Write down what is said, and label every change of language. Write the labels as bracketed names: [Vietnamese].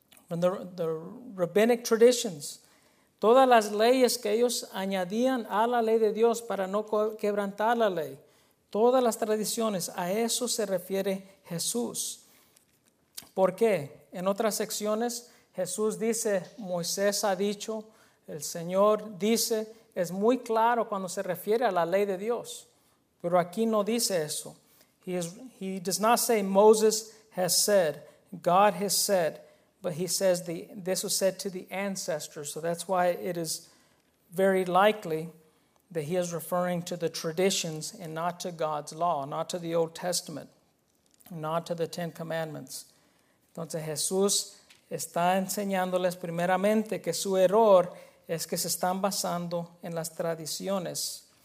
[English] The rabbinic traditions. [Spanish] Todas las leyes que ellos añadían a la ley de Dios para no quebrantar la ley. todas las tradiciones, a eso se refiere Jesús. ¿Por qué? En otras secciones Jesús dice, Moisés ha dicho, el Señor dice, es muy claro cuando se refiere a la ley de Dios. Pero aquí no dice eso. [English] He does not say Moses has said, God has said, but he says this was said to the ancestors. So that's why it is very likely that he is referring to the traditions and not to God's law, not to the Old Testament, not to the Ten Commandments. [Spanish] Entonces Jesús está enseñándoles primeramente que su error es que se están basando en las tradiciones.